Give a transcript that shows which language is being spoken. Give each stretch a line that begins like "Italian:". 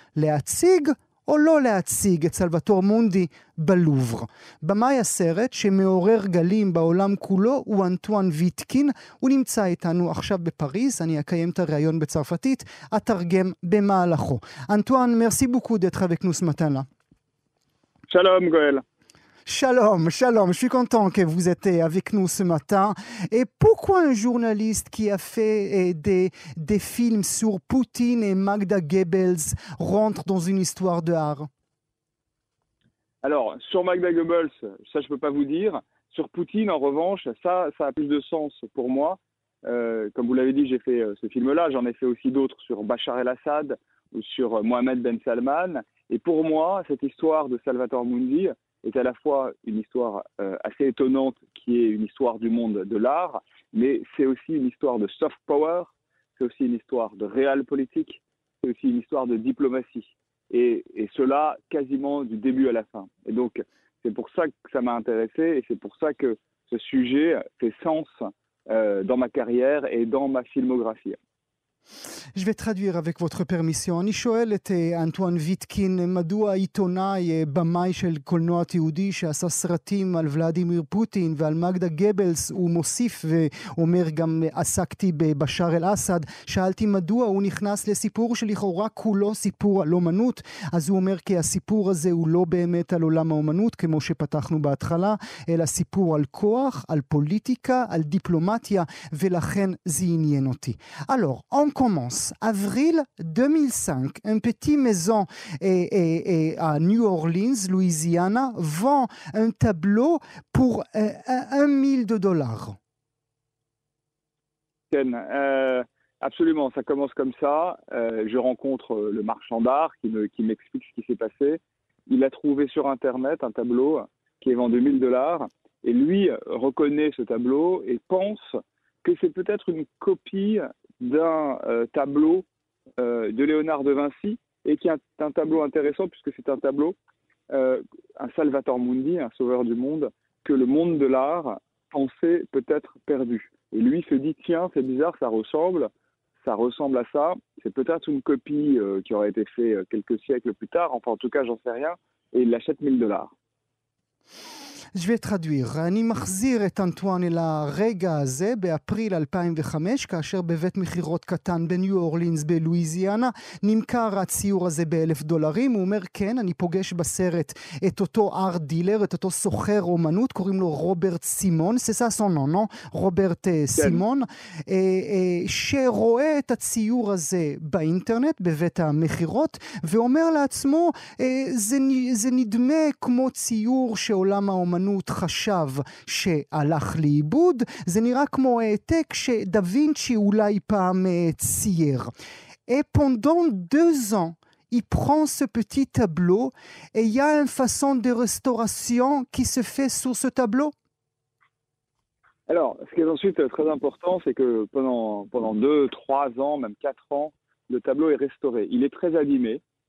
Hebrew: להציג או לא להציג את סלווטור מונדי בלובר. במאי הסרט שמעורר גלים בעולם כולו הוא אנטואן ויטקין, הוא נמצא איתנו עכשיו בפריז, אני אקיים את הראיון בצרפתית, אתרגם במהלכו.
French: אנטואן, מרסי בוקו דאתר וכנוס מתנה.
Hebrew: שלום גואל.
French: Shalom, shalom, je suis content que vous êtes avec nous ce matin. Et pourquoi un journaliste qui a fait des films sur Poutine et Magda Goebbels rentre dans une histoire de art? Alors, sur Magda Goebbels, ça je ne peux pas vous dire. Sur Poutine, en revanche, ça a plus de sens pour moi. Comme vous l'avez dit, j'ai fait ce film-là. J'en ai fait aussi d'autres sur Bachar el-Assad ou sur Mohamed Ben Salman. Et pour moi, cette histoire de Salvatore Mundi est à la fois une histoire assez étonnante, qui est une histoire du monde de l'art, mais c'est aussi une histoire de soft power, c'est aussi une histoire de réal politique, c'est aussi une histoire de diplomatie. Et cela, quasiment du début à la fin. Et donc, c'est pour ça que ça m'a intéressé, et c'est pour ça que ce sujet fait sens dans ma carrière et dans ma filmographie. Je vais traduire avec votre permission.
Hebrew: אני שואל את אנטואן ויטקין, מדוע עיתונאי במאי של קולנוע תיעודי שעשה סרטים על ולדימיר פוטין ועל מגדה גבלס, הוא מוסיף ואומר גם עסקתי בבשאר אל-אסד, שאלתי מדוע הוא נכנס לסיפור שלכאורה כולו סיפור על אומנות, אז הוא אומר כי הסיפור הזה הוא לא באמת על עולם האומנות, כמו שפתחנו בהתחלה, אלא סיפור על כוח, על פוליטיקה, על דיפלומטיה, ולכן זה עניין אותי.
French: Alors, on commence. Avril 2005, un petit maison à New Orleans, Louisiana, vend un tableau pour $1,000. Absolument, ça commence comme ça. Je rencontre le marchand d'art qui m'explique ce qui s'est passé. Il a trouvé sur Internet un tableau qui est vendu $1,000 et lui reconnaît ce tableau et pense que c'est peut-être une copie d'un tableau de Léonard de Vinci, et qui est un tableau intéressant puisque c'est un tableau, un Salvator Mundi, un sauveur du monde, que le monde de l'art pensait peut-être perdu. Et lui se dit, tiens, c'est bizarre, ça ressemble à ça, c'est peut-être une copie qui aurait été faite quelques siècles plus tard, enfin en tout cas j'en sais rien, et il l'achète $1,000. Je vais traduire.
Hebrew: אני מחזיר את אנטואן אל הרגע הזה באפריל 2005, כאשר בבית מחירות קטן בניו אורלינס בלואיזיאנה, נמכר הציור הזה ב-$1,000. הוא אומר, כן, אני פוגש בסרט את אותו ארט דילר, את אותו סוחר אומנות, קוראים לו רוברט סימון, רוברט סימון, שרואה את הציור הזה באינטרנט, בבית המחירות, ואומר לעצמו, זה נדמה כמו ציור שעולם האומנות חשב שהלך לאיבוד, זה נראה כמו העתק שדווינצ'י אולי פעם צייר.
French: Et pendant deux ans, il prend ce petit tableau et il y a une façon de restauration qui se fait sur ce tableau. Alors, ce qui est ensuite très important, c'est que pendant 2, 3 ans, même 4 ans, le tableau est restauré. Il est très abîmé.